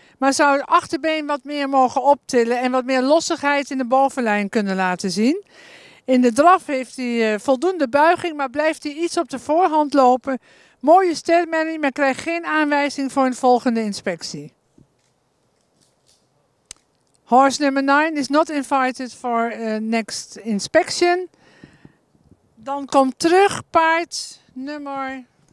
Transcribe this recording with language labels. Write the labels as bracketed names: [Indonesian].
[Dutch] Maar zou het achterbeen wat meer mogen optillen en wat meer lossigheid in de bovenlijn kunnen laten zien. In de draf heeft hij voldoende buiging, maar blijft hij iets op de voorhand lopen. Mooie stermelding, maar krijgt geen aanwijzing voor een volgende inspectie. [English] Horse number 9 is not invited for next inspection. [Dutch] Dan komt terug paard nummer...